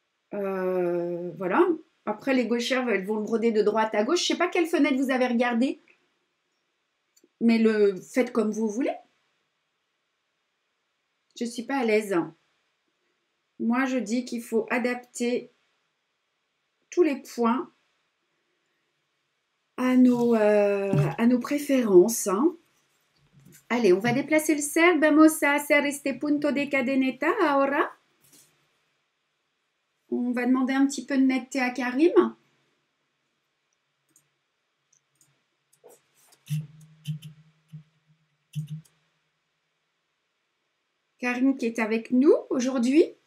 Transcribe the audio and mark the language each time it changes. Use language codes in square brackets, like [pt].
[fr] Voilà, après les gauchères, elles vont le broder de droite à gauche. Je ne sais pas quelle fenêtre vous avez regardée, mais le faites comme vous voulez. Je ne suis pas à l'aise. Moi, je dis qu'il faut adapter tous les points à nos préférences. Hein. Allez, on va déplacer le cercle. [es] Vamos a hacer este punto de cadeneta ahora. [fr] On va demander un petit peu de netteté à Karim. Karim qui est avec nous aujourd'hui.